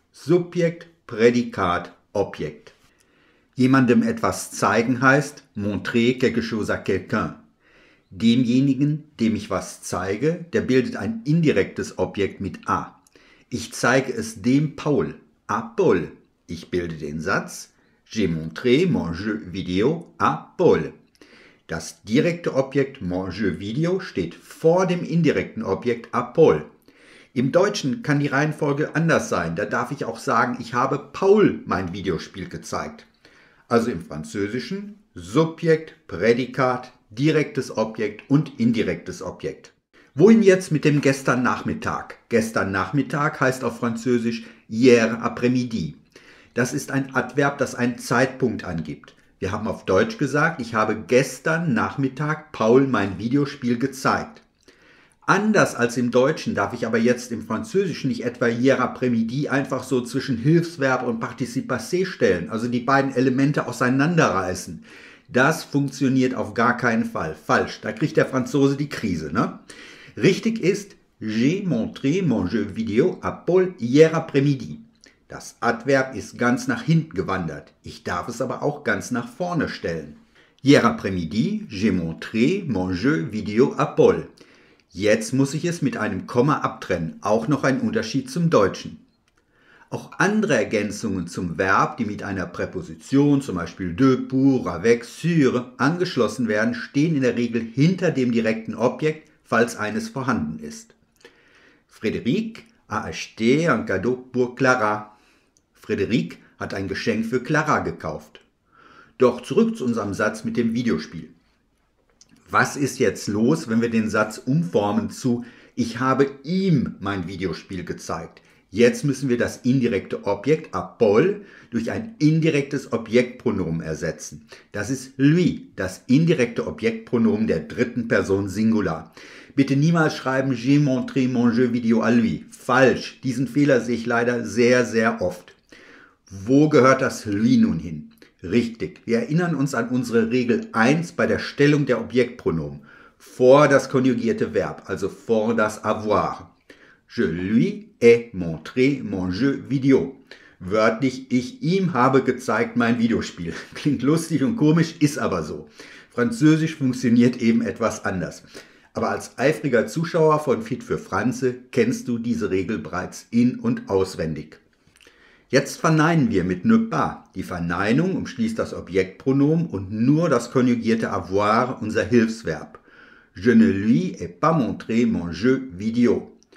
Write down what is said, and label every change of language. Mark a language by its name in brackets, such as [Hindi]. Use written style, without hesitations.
[German] Subjekt, Prädikat, Objekt. Jemandem etwas zeigen heißt [French] montrer quelque chose à quelqu'un. [German] Demjenigen, dem ich was zeige, der bildet ein indirektes Objekt mit A. Ich zeige es dem Paul, [French] à Paul. [German] Ich bilde den Satz [French] j'ai montré mon jeu vidéo à Paul. [German] Das direkte Objekt [French] mon jeu vidéo [German] steht vor dem indirekten Objekt [French] à Paul. [German] Im Deutschen kann die Reihenfolge anders sein. Da darf ich auch sagen, ich habe Paul mein Videospiel gezeigt. Also im Französischen Subjekt, Prädikat, direktes Objekt und indirektes Objekt. Wohin jetzt mit dem gestern Nachmittag? Gestern Nachmittag heißt auf Französisch [French] hier après-midi. [German] Das ist ein Adverb, das einen Zeitpunkt angibt. Wir haben auf Deutsch gesagt, ich habe gestern Nachmittag Paul mein Videospiel gezeigt. Anders als im Deutschen darf ich aber jetzt im Französischen nicht etwa [French] hier après-midi [German] einfach so zwischen Hilfsverb und Partizip passé stellen, also die beiden Elemente auseinanderreißen. Das funktioniert auf gar keinen Fall. Falsch, da kriegt der Franzose die Krise, ne? [French] Richtig ist, j'ai montré mon jeu vidéo à Paul hier après-midi. [German] Das Adverb ist ganz nach hinten gewandert. Ich darf es aber auch ganz nach vorne stellen. [French] Hier après-midi, j'ai montré mon jeu vidéo à Paul. [German] Jetzt muss ich es mit einem Komma abtrennen. Auch noch ein Unterschied zum Deutschen. Auch andere Ergänzungen zum Verb, die mit einer Präposition, zum Beispiel de, pour, avec, sur, angeschlossen werden, stehen in der Regel hinter dem direkten Objekt, falls eines vorhanden ist. [French] Frédéric a acheté un cadeau pour Clara. [German] Frédéric hat ein Geschenk für Clara gekauft. Doch zurück zu unserem Satz mit dem Videospiel. Was ist jetzt los, wenn wir den Satz umformen zu ich habe ihm mein Videospiel gezeigt? Jetzt müssen wir das indirekte Objekt [French] à Paul [German] durch ein indirektes Objektpronomen ersetzen. Das ist lui, das indirekte Objektpronomen der dritten Person Singular. Bitte niemals schreiben [French] j'ai montré mon jeu vidéo à lui. [German] Falsch, diesen Fehler sehe ich leider sehr, sehr oft. Wo gehört das lui nun hin? Richtig, wir erinnern uns an unsere Regel 1 bei der Stellung der Objektpronomen. Vor das konjugierte Verb, also vor das avoir. [French] Je lui ai montré mon jeu vidéo. [German] Wörtlich, ich ihm habe gezeigt mein Videospiel. Klingt lustig und komisch, ist aber so. Französisch funktioniert eben etwas anders. Aber als eifriger Zuschauer von Fit für Franze kennst du diese Regel bereits in- und auswendig. Jetzt verneinen wir mit ne pas. Die Verneinung umschließt das Objektpronomen und nur das konjugierte avoir, unser Hilfsverb. [French] Je ne lui ai pas montré mon jeu vidéo.